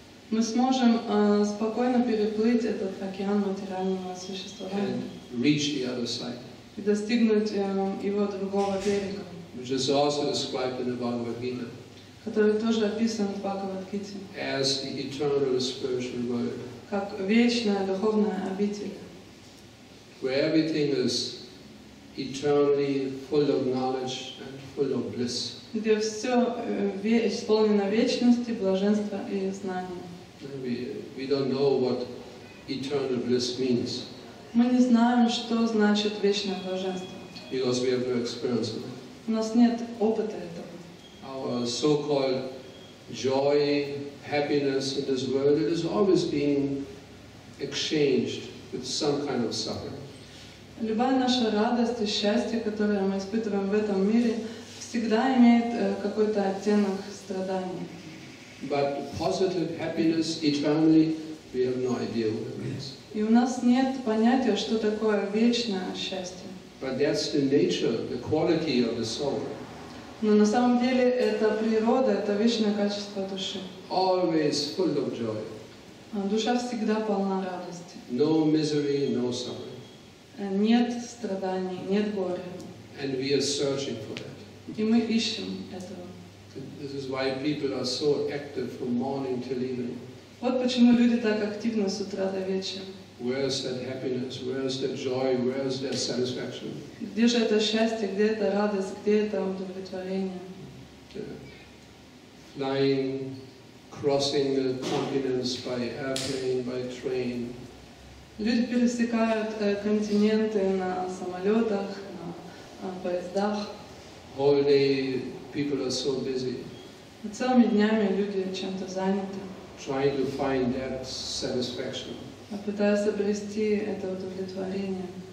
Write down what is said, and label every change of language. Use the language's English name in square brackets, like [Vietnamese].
[Russian] Мы сможем спокойно переплыть этот океан материального существования. [English] And reach the other side. [Russian] И достигнуть его другого берега. [English] Which is also described in the Bhagavad Gita. [Russian] Который тоже описан в Бхагавад Гите. [English] As the eternal spiritual world. [Russian] Как вечная духовная обитель. [English] Where everything is eternally full of knowledge and full of bliss. [Russian] Где все исполнено вечности, блаженства и знания. [English] We don't know what eternal bliss means. [Russian] Мы не знаем, что значит вечное блаженство. [English] Because we have no experience of it. [Russian] У нас нет опыта этого. [English] Our so-called joy, happiness in this world, it is always being exchanged with some kind of suffering. [Russian] Любая наша радость и счастье, которое мы испытываем в этом мире, всегда имеет какой-то оттенок страдания. [English] But positive happiness eternally, we have no idea what it means. [Russian] И у нас нет понятия, что такое вечное счастье. [English] But that's the nature, the quality of the soul. [Russian] Но на самом деле это природа, это вечное качество души. [English] Always full of joy. [Russian] Душа всегда полна радости. [English] No misery, no suffering. [Russian] Нет страданий, нет горя. [English] And we are searching for that. [Russian] И мы ищем этого. [English] This is why people are so active from morning till evening. [Russian] Вот почему люди так активны с утра до вечера. [English] Where is that happiness? Where is that joy? Where is that satisfaction? [Russian] Где же это счастье? Где эта радость? Где это удовлетворение? [English] Flying, crossing the continents by airplane, by train. [Russian] Люди пересекают континенты на самолетах, на поездах. [English] All day people are so busy. [Russian] Целыми днями люди чем-то заняты. [English] Trying to find that satisfaction. [Russian] А пытаясь обрести это удовлетворение.